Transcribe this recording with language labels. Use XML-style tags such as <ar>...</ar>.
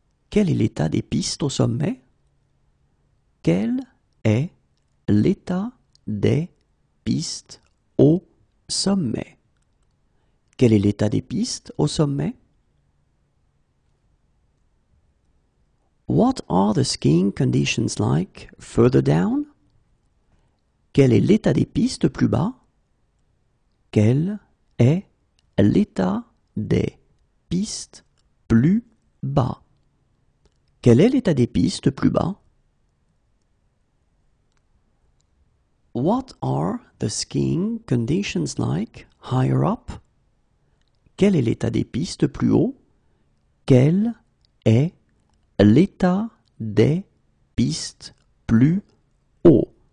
<fr>Quel est l'état des pistes au sommet? Quel est l'état des pistes au sommet? Quel est l'état des pistes au sommet?</fr> <en>What are the skiing conditions like further down?</en> <fr>Quel est l'état des pistes plus bas? Quel est l'état des pistes plus bas? Quel est l'état des pistes plus bas?</fr> <en>What are the skiing conditions like higher up?</en> <fr>Quel est l'état des pistes plus haut? Quel est l'état des pistes plus haut?</fr>